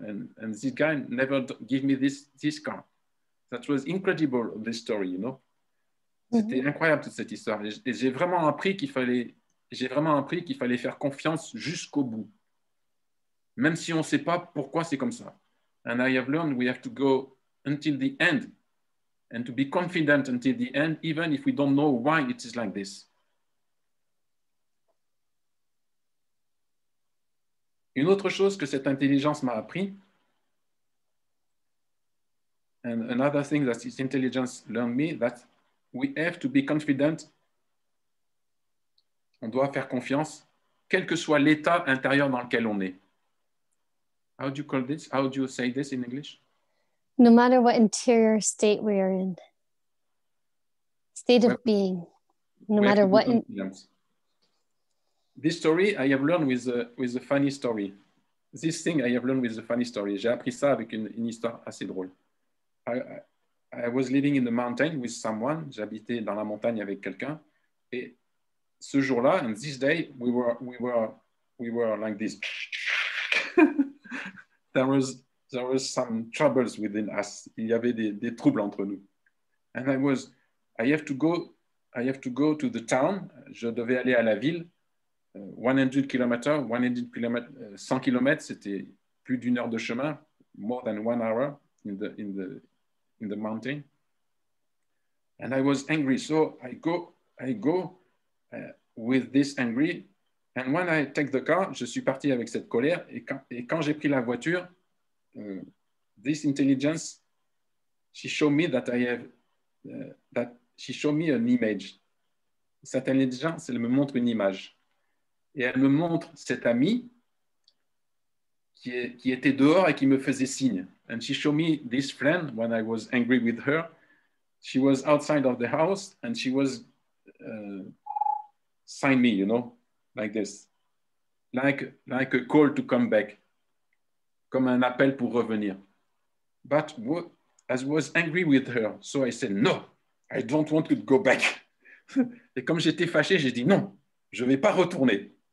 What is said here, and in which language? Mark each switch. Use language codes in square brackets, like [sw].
[en] And this guy never gave me this car. That was incredible, this story, you know. [fr] C'était incroyable, toute cette histoire. Et j'ai vraiment appris qu'il fallait faire confiance jusqu'au bout. Même si on ne sait pas pourquoi c'est comme ça. [en] And I have learned we have to go until the end, and to be confident until the end, even if we don't know why it is like this. [fr] Une autre chose que cette intelligence m'a appris, [en] and another thing that this intelligence learned me, that we have to be confident, [fr] on doit faire confiance, quel que soit l'état intérieur dans lequel on est. [en] How do you call this? How do you say this in English? No matter what interior state we are in, This story I have learned with a funny story. This thing I have learned with a funny story. [fr] J'ai appris ça avec une histoire assez drôle. [en] I was living in the mountain with someone. [fr] J'habitais dans la montagne avec quelqu'un. Et ce jour-là, [en] and this day, we were like this. There was some troubles within us. [fr] Il y avait des troubles entre nous. [en] And I have to go to the town. [fr] Je devais aller à la ville. 100 kilometers, c'était plus d'une heure de chemin. [en] More than 1 hour in the mountain. And I was angry. So I go with this angry. And when I take the car, [fr] je suis parti avec cette colère. Et quand j'ai pris la voiture, [en] this intelligence, she showed me that I have, that she showed me an image. [fr] Cette intelligence, elle me montre une image, et elle me montre cet ami qui était dehors et qui me faisait signe. [en] And she showed me this friend when I was angry with her. She was outside of the house and she was sign me, you know, like this, like a call to come back. [fr] Comme un appel pour revenir. [en] But as I was angry with her, so I said, no, I don't want to go back. [fr] Et comme j'étais fâché, j'ai dit, non, je ne vais pas retourner.